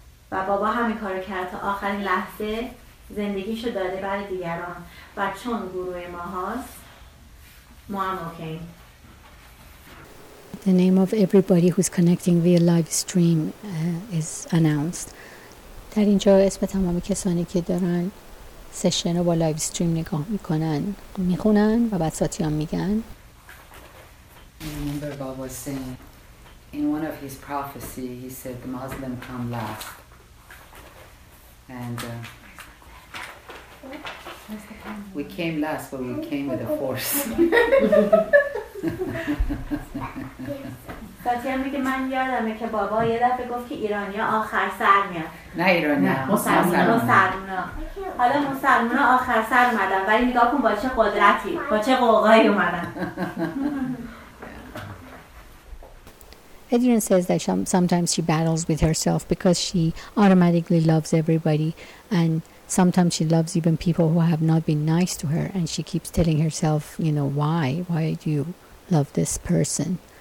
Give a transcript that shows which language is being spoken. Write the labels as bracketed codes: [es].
[fa] و بابا همین کار کرد تا آخرین لحظه زندگیشو داده برای دیگران، و چون گروه ما هست ما هم اوکیم. [en] The name of everybody who's connecting via live stream is announced. [fa] در اینجا اسم تمام کسانی که دارن سشن رو با لایو استریم نگاه میکنن میخونن و بعد ساتیان میگن [en] Remember Baba was saying in one of his prophecy he said the Muslim come last and we came last but we came with a force [fa] ساتیان میگه من یادمه که بابا یه دفعه گفت که ایرانی ها آخر سر میان نه ایران نه مسلمان ها حالا مسلمان ها آخر سر اومدن ولی نگاه کن با چه قدرتی با چه قوقایی اومدن [en] Adrian says that sometimes she battles with herself because she automatically loves everybody and sometimes she loves even people who have not been nice to her and she keeps telling herself, you know, why do you love this person?